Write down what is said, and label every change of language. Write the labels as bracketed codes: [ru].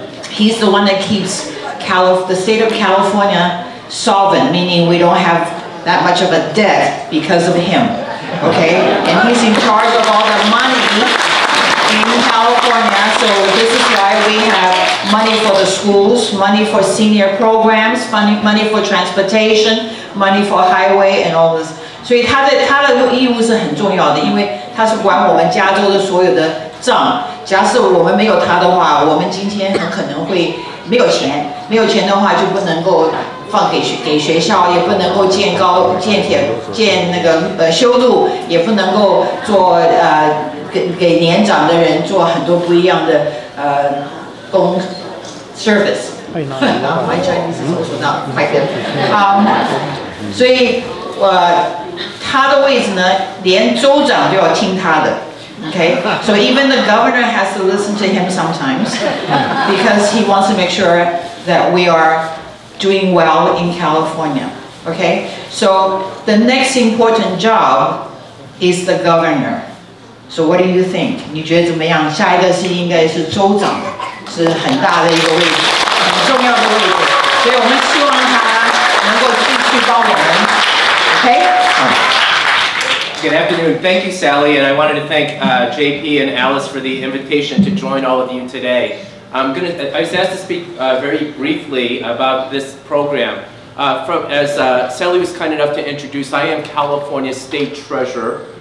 [en] He's the one that keeps the state of California solvent, meaning we don't have that much of a debt because of him. Okay? And he's in charge of all the money in California. So this is why we have money for the schools, money for senior programs, money for transportation, money for highway and all this. [zh] 所以他的义务是很重要的，因为他是管我们加州的所有的账。假设我们没有他的话，我们今天很可能会没有钱，没有钱的话就不能够放给学校，也不能够建那个修路，也不能够做给年长的人做很多不一样的工 service。 [en] My Chinese is also not quite good. [zh] 所以他的位置呢，连州长都要听他的。 [en] Okay, so even the governor has to listen to him sometimes because he wants to make sure that we are doing well in California. Okay, so the next important job is the governor. So what do you think? [zh] 你觉得怎么样？下一个是应该是州长，是很大的一个位置，很重要的位置。所以我们希望他能够继续帮我们。 [en] Okay. Good afternoon. Thank you, Sally, and I wanted to thank JP and Alice for the invitation to join all of you today. I was asked to speak very briefly about this program. Sally was kind enough to introduce, I am California's state treasurer.